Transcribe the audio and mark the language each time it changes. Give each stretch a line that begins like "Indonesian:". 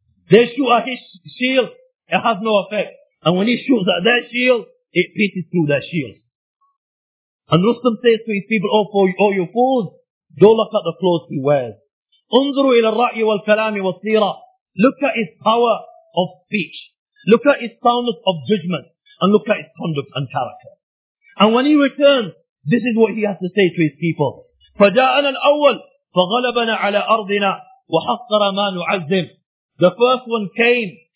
English: They shoot at his shield. It has no effect. And when he shoots at their shield, it pieces through their shield. And Rustam says to his people, Oh, you fools, don't look at the clothes he wears.
Arabic: انظروا إلى الرأي والكلام والسيرة.
English: Look at his power of speech. Look at his soundness of judgment. And look at his conduct and character. And when he returns, this is what he has to say to his people.
Arabic: فَجَاءَنَا الْأَوَّلْ فَغَلَبَنَا عَلَىٰ أَرْضِنَا وَحَقَّرَ مَا نُعَزِّمْ.
English: The first one came.